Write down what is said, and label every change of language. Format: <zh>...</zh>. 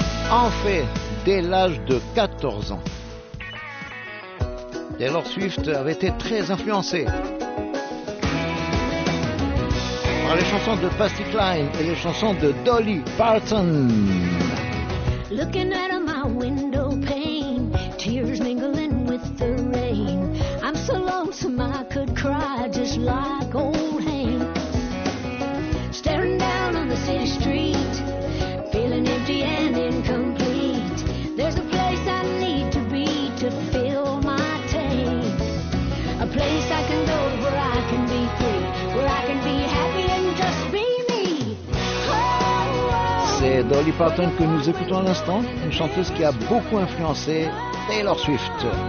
<fr>En fait, dès l'âge de 14 ans, Taylor Swift avait été très influencée par les chansons de Patsy Cline et les chansons de Dolly Parton.</fr> <en>Looking out of my window pane, tears mingling with the rain. I'm so lonesome I could cry just like old Hank. Staring down on the city street, feeling empty and incomplete. There's a place I need to be to fill my tank. A place I can go where I can be free, where I can be happy and just be me. Oh, oh.</en> <fr>C'est Dolly Parton que nous écoutons à l'instant, une chanteuse qui a beaucoup influencé Taylor Swift.</fr>